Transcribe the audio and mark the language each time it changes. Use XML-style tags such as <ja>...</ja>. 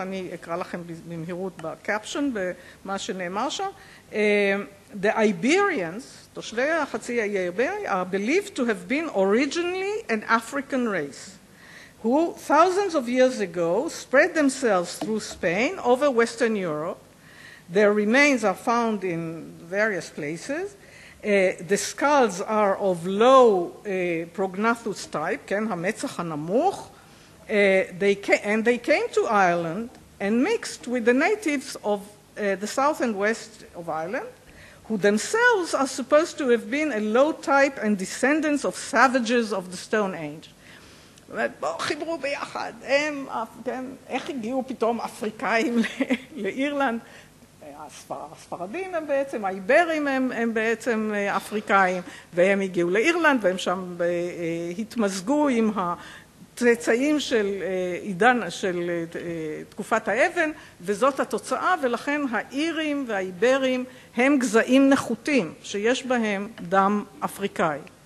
<he>אני אקרא לכם במהירות בקפשן במה שנאמר שם.</he> <en>The Iberians,</en> <he>תושבי החצי האי האיברי,</he> <en>are believed to have been originally an African race, who thousands of years ago spread themselves through Spain over Western Europe. Their remains are found in various places. The skulls are of low prognathous type,</en> <he>כן, המצח הנמוך,</he> <en>and they came to Ireland and mixed with the natives of the south and west of Ireland, who themselves are supposed to have been a low type and descendants of savages of the Stone Age.</en> <he>בואו חיברו ביחד, הם, כן, איך הגיעו פתאום אפריקאים לאירלנד? הספרדים הם בעצם, האיברים הם בעצם אפריקאים, והם הגיעו לאירלנד, והם שם התמזגו עם הצאצאים של עידן, של תקופת האבן, וזאת התוצאה, ולכן האירים והאיברים הם גזעים נחותים, שיש בהם דם אפריקאי.</he>